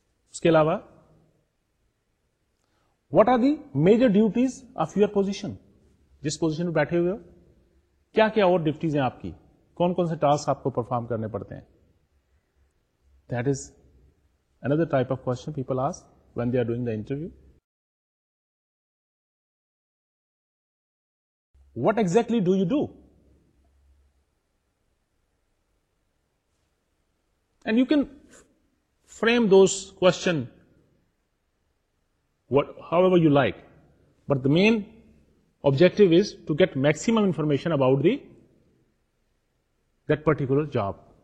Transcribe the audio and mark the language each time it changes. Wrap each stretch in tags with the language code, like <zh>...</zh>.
<ur>اس کے علاوہ</ur> <en>what are the major duties of your position,</en> <ur>جس پوزیشن پہ بیٹھے ہوئے ہو کیا کیا اور ڈیوٹیز ہیں آپ کی, کون کون سے ٹاسک آپ کو پرفارم کرنے پڑتے ہیں.</ur> <en>That is another type of question people ask when they are doing the interview.</en> <ur>What exactly do you do,</ur> <en>and you can frame those question what however you like, but the main objective is to get maximum information about the that particular job.</en>